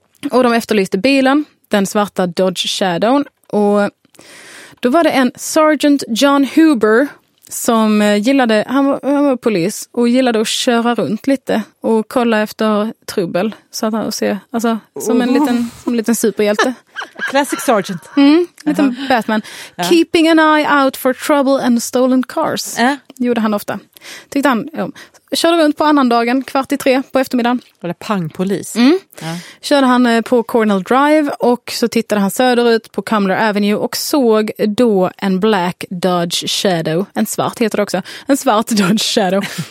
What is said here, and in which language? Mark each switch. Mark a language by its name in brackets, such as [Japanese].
[Swedish] Och de efterlyste bilen, den svarta Dodge Shadown, och då var det en sergeant John Huber som gillade, han var polis och gillade att köra runt lite och kolla efter trubbel, så att han och se, alltså som en liten, som en liten superhjälte. [English] A classic sergeant. [Swedish] Mm, liten Batman. Yeah. [English] Keeping an eye out for trouble and stolen cars. [Swedish] Gjorde han ofta. Tyckte han, körde runt på annan dagen, 2:45 på eftermiddagen. Eller pangpolis. Mm. Ja. Körde han på Cornell Drive och så tittade han söderut på Cumler Avenue och såg då en Black Dodge Shadow. En svart heter det också. En svart Dodge Shadow.